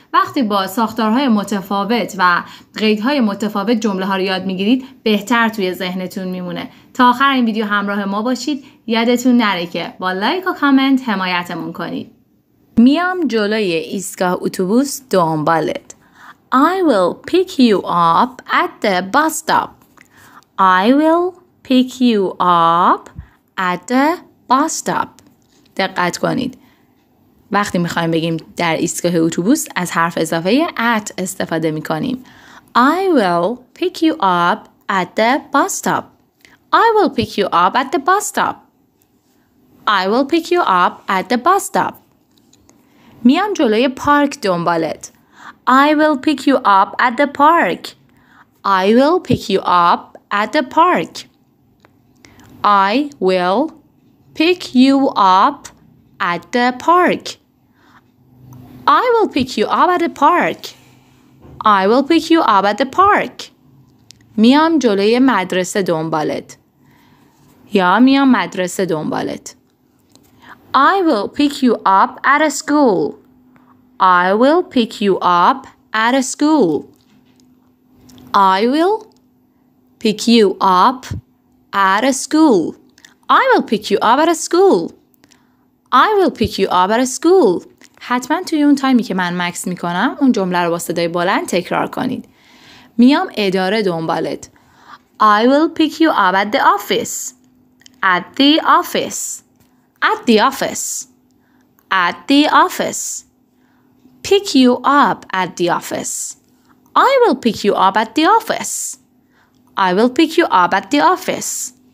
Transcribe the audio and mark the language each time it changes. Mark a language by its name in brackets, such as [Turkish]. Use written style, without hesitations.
[Persian] وقتی با ساختارهای متفاوت و قیدهای متفاوت جمله ها رو یاد میگیرید بهتر توی ذهنتون میمونه. تا آخر این ویدیو همراه ما باشید. یادتون نره که با لایک و کامنت حمایتمون کنید. میام جلوی ایستگاه اتوبوس دنبالت. [English] I will pick you up at the bus stop. I will pick you up at the bus stop. [Persian] دقت کنید. وقتی میخوایم بگیم در ایستگاه اتوبوس از حرف اضافه at استفاده میکنیم. [English] I will pick you up at the bus stop. I will pick you up at the bus stop. I will pick you up at the bus stop. [Persian] میام جلوی پارک دنبالت. [English] I will pick you up at the park. I will pick you up at the park. I will pick you up at the park. I will pick you up at the park. I will pick you up at the park. [Persian] میام جلوی مدرسه دنبالت. یا میام مدرسه دنبالت. [English] I will pick you up at a school. I will pick you up at a school. I will pick you up at a school. I will pick you up at a school. I will pick you up at a school. [Persian] حتما توی اون تایمی که من مکس میکنم اون جمله رو با صدای بلند تکرار کنید. میام اداره دنبالت. [English] I will pick you up at the office. At the office. At the office. At the office. Pick you up at the office. I will pick you up at the office. I will pick you up at the office.